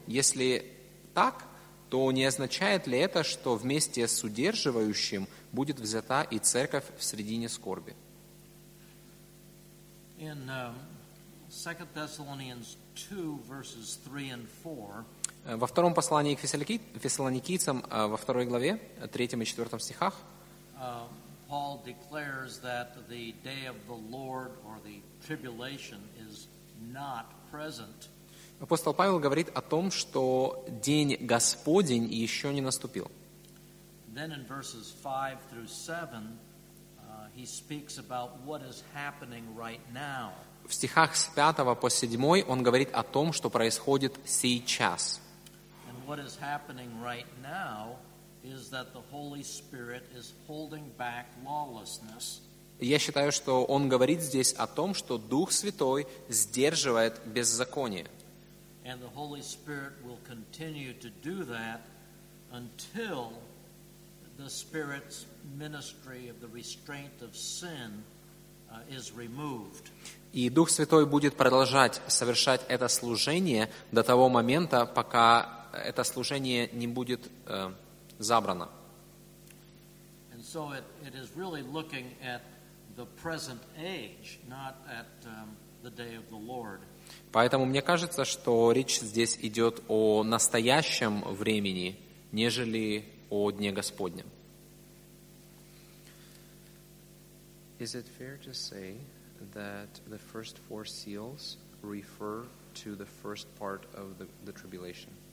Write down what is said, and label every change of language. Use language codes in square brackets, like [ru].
[ru] Если так, то не означает ли это, что вместе с удерживающим будет взята и церковь в середине скорби? [en] In 2 Thessalonians 2, verses 3 and 4, [ru] во втором послании к Фессалоникийцам, во второй главе, третьем и четвертом стихах, [en] Paul declares that the day of the Lord or the tribulation is not present. [ru] Апостол Павел говорит о том, что день Господень еще не наступил. [en] Then in verses 5 through 7, he speaks about what is happening right now. [ru] В стихах с 5 по 7 он говорит о том, что происходит сейчас. [en] And what is happening right now is that the Holy Spirit is holding back lawlessness. [ru] Я считаю, что он говорит здесь о том, что Дух Святой сдерживает беззаконие. [en] And the Holy Spirit will continue to do that until the Spirit's ministry of the restraint of sin is removed. [ru] И Дух Святой будет продолжать совершать это служение до того момента, пока это служение не будет забрано. [en] And so it is really looking at the present age, not at the day of the Lord. [ru] Поэтому мне кажется, что речь здесь идет о настоящем времени, нежели о дне Господнем. [en] Is it fair to say that the first four seals refer to the first part of the tribulation?